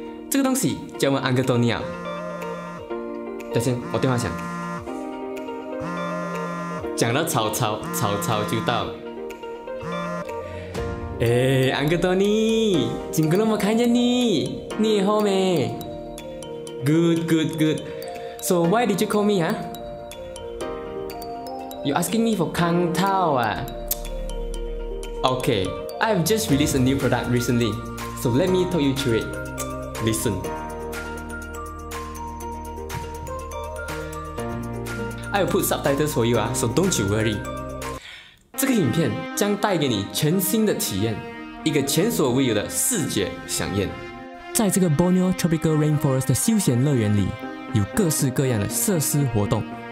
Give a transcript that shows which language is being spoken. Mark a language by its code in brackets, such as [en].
[zh] 这个东西叫问安格多尼亚。等先，我电话响。讲到曹操，曹操就到了。哎，安格多尼，今个我看见你，你好没 ？ [en] Good, good, good. So why did you call me, huh? You asking me for Kang Tao, ah? Okay, I've just released a new product recently, so let me talk you through it. Listen. I'll put subtitles for you, so don't you worry. [zh] 这个影片将带给你全新的体验，一个前所未有的视觉飨宴。在这个 Borneo Tropical Rainforest 的休闲乐园里，有各式各样的设施活动。